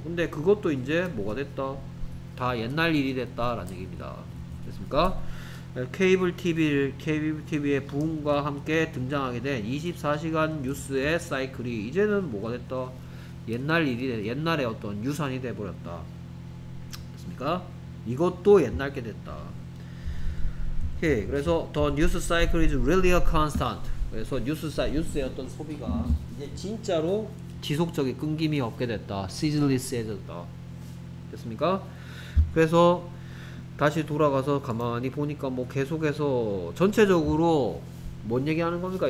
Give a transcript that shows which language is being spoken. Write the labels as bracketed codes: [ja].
[ko] 근데 그것도 이제 뭐가 됐다? 다 옛날 일이 됐다라는 얘기입니다. 됐습니까? 케이블 TV를 케이블 TV의 부흥과 함께 등장하게 된 24시간 뉴스의 사이클이 이제는 뭐가 됐다? 옛날 일이 옛날에 어떤 유산이 돼버렸다. 됐습니까? 이것도 옛날 게 됐다. 오케이. 그래서 [en] the news cycle is really a constant. [ko] 그래서 뉴스의 어떤 소비가 이제 진짜로 지속적인 끊김이 없게 됐다. ceaseless 해졌다. 됐습니까? 그래서 다시 돌아가서 가만히 보니까 뭐 계속해서 전체적으로 뭔 얘기 하는 겁니까?